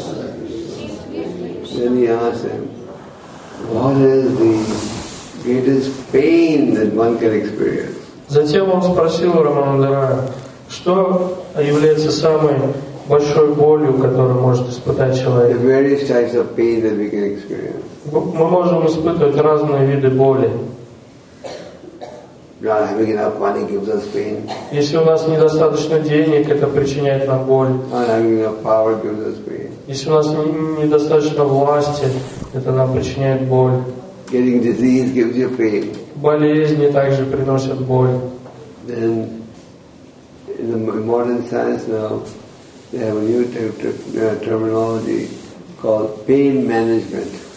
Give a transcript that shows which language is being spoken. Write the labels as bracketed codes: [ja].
[en] Then he asked him, what is the greatest pain that one can experience? [ru] Затем он спросил Рамананда Рая, что является самой большой болью, которую может испытать человек. [en] The various types of pain that we can experience. [ru] Мы можем испытывать разные виды боли. [en] Not having enough money gives us pain. [ru] Если у нас недостаточно денег, это причиняет нам боль. [en] Not having enough power gives us pain. [ru] Если у нас недостаточно власти, это нам причиняет боль. [en] Getting disease gives you pain. [ru] Болезни также приносят боль. [en] Then, in the modern science now, they have a new terminology called pain management.